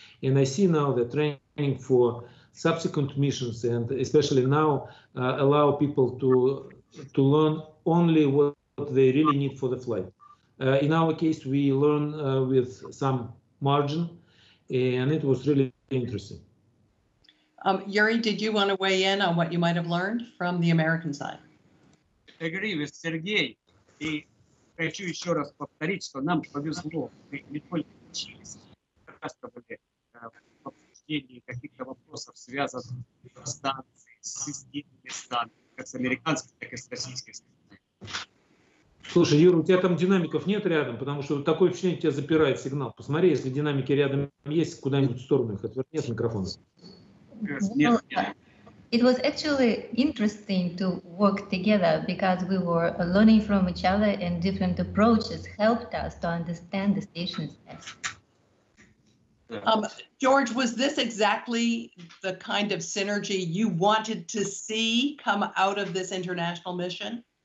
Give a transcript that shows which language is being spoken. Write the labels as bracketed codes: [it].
[en] And I see now that training for subsequent missions, and especially now, allow people to learn only what they really need for the flight. In our case, we learn with some margin, and it was really interesting. Yuri, did you want to weigh in on what you might have learned from the American side? I agree with Sergei. [ru] И хочу еще раз повторить, что нам повезло. Мы не только учились, как раз были в обсуждении каких-то вопросов, связанных с станцией, с системами станции, как с американской, так и с российской станцией. Слушай, Юра, у тебя там динамиков нет рядом, потому что такое ощущение, тебя запирает сигнал. Посмотри, если динамики рядом есть, куда-нибудь в сторону их отверни от микрофона. Нет, нет. [en] It was actually interesting to work together because we were learning from each other and different approaches helped us to understand the station's test. George, was this exactly the kind of synergy you wanted to see come out of this international mission?